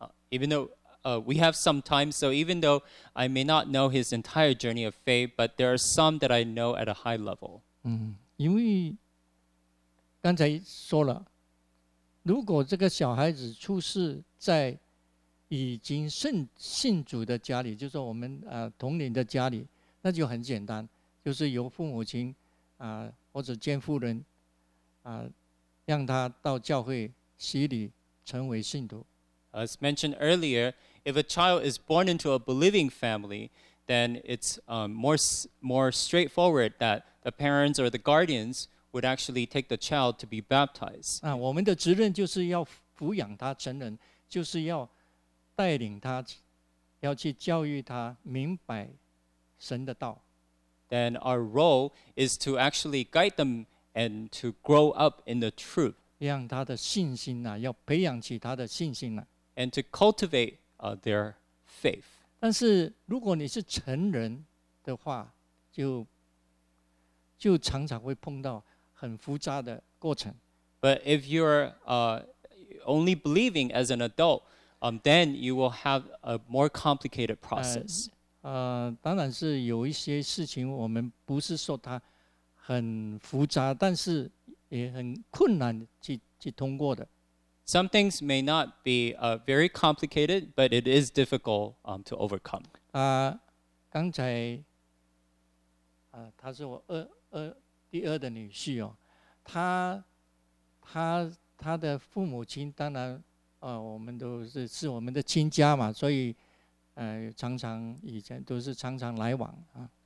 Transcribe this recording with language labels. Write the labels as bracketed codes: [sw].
[en] Even though we have some time, so even though I may not know his entire journey of faith, but there are some that I know at a high level. [zh] 嗯，因为刚才说了，如果这个小孩子出世在已经信主的家里，就是我们同龄的家里，那就很简单，就是由父母亲或者监护人让他到教会洗礼，成为信徒。 [en] As mentioned earlier, if a child is born into a believing family, then it's more straightforward that the parents or the guardians would actually take the child to be baptized. [zh] 啊，我们的责任就是要抚养他成人，就是要带领他，要去教育他明白神的道。 [en] Then our role is to actually guide them and to grow up in the truth. [zh] 让他的信心啊，要培养起他的信心啊。 [en] And to cultivate their faith. [zh] 但是如果你是成人的话，就常常会碰到很复杂的过程。 [en] But if you're only believing as an adult, then you will have a more complicated process. [zh] 当然是有一些事情我们不是说它很复杂，但是也很困难去通过的。 [en] Some things may not be very complicated, but it is difficult to overcome. [zh] 刚才她是我第二的女婿哦，她的父母亲当然我们都是我们的亲家嘛，所以常常以前都是常常来往啊。